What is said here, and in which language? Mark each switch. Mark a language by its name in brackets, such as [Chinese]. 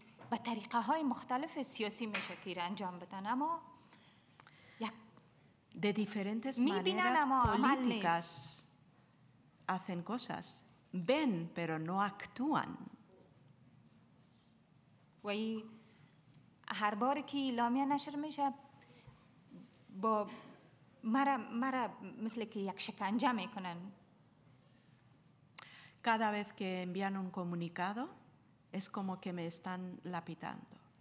[Persian] به طریقه های مختلف سیاسی میشه که انجام بدن اما [Spanish] de diferentes maneras políticas hacen cosas ven pero no actúan [Persian] و هر بار که اعلامیه نشر میشه با مرا مثل که یک شکنجه میکنن [Spanish] cada vez que envían un comunicado es como que me están lapidando.